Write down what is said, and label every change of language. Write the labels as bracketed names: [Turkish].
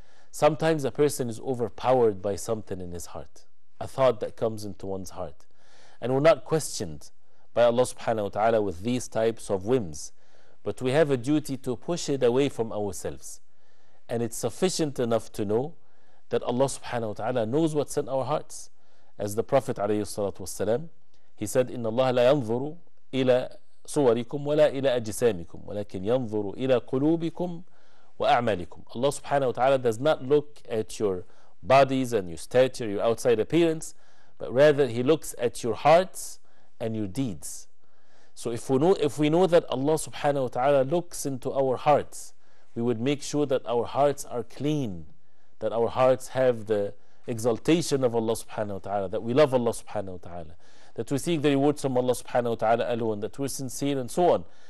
[English] Sometimes a person is overpowered by something in his heart, a thought that comes into one's heart, and we're not questioned by Allah subhanahu wa ta'ala with these types of whims, but we have a duty to push it away from ourselves. And it's sufficient enough to know that Allah subhanahu wa ta'ala knows what's in our hearts. As the Prophet alayhi salatu wasalam, he said, [Arabic] إن الله لا ينظر إلى صوركم ولا إلى أجسامكم ولكن ينظر إلى قلوبكم وأعمالكم. [English] Allah subhanahu wa ta'ala does not look at your bodies and your stature, your outside appearance, but rather he looks at your hearts and your deeds. So if we know that Allah subhanahu wa ta'ala looks into our hearts, we would make sure that our hearts are clean, that our hearts have the exaltation of Allah subhanahu wa ta'ala, that we love Allah subhanahu wa ta'ala, that we seek the rewards from Allah subhanahu wa ta'ala alone, that we're sincere, and so on.